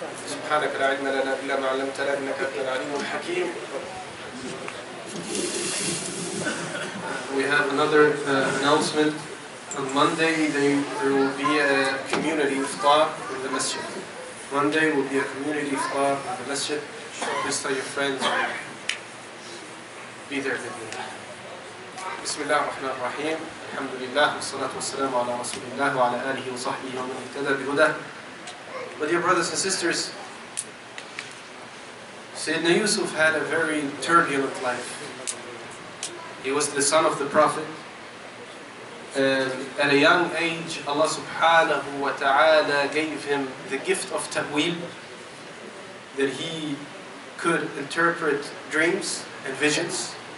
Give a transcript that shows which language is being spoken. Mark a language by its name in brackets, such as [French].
[Arabic] سبحانك لا علم لنا إلا ما علمتنا إنك أنت العليم الحكيم. [English] We have another announcement. On Monday there will be a community iftar in the masjid. Monday will be a community iftar in the masjid. So please tell your friends to be there with you. [Arabic] بسم الله الرحمن الرحيم الحمد لله والصلاة والسلام على رسول الله وعلى آله وصحبه ومن اهتدى بهداه. [English] But dear brothers and sisters, Sayyidina Yusuf had a very turbulent life. He was the son of the Prophet. At a young age, Allah subhanahu wa ta'ala gave him the gift of ta'wil, that he could interpret dreams and visions.